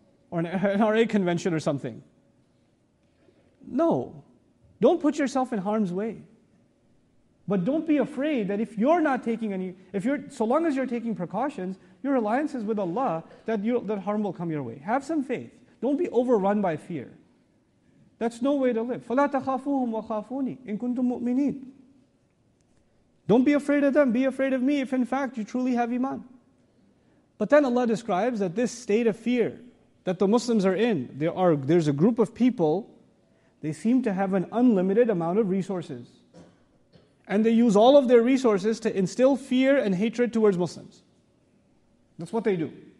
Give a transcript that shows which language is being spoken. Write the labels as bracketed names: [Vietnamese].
[English] Or an NRA convention or something. No. Don't put yourself in harm's way. But don't be afraid that if you're not taking any, so long as you're taking precautions, your alliance is with Allah, that harm will come your way. Have some faith. Don't be overrun by fear. That's no way to live. [Arabic] فَلَا تَخَافُوهُمْ وَخَافُونِي إِن كُنْتُمْ مُؤْمِنِينَ [English] Don't be afraid of them. Be afraid of me if in fact you truly have iman. But then Allah describes that this state of fear that the Muslims are in, there's a group of people, they seem to have an unlimited amount of resources. And they use all of their resources to instill fear and hatred towards Muslims. That's what they do.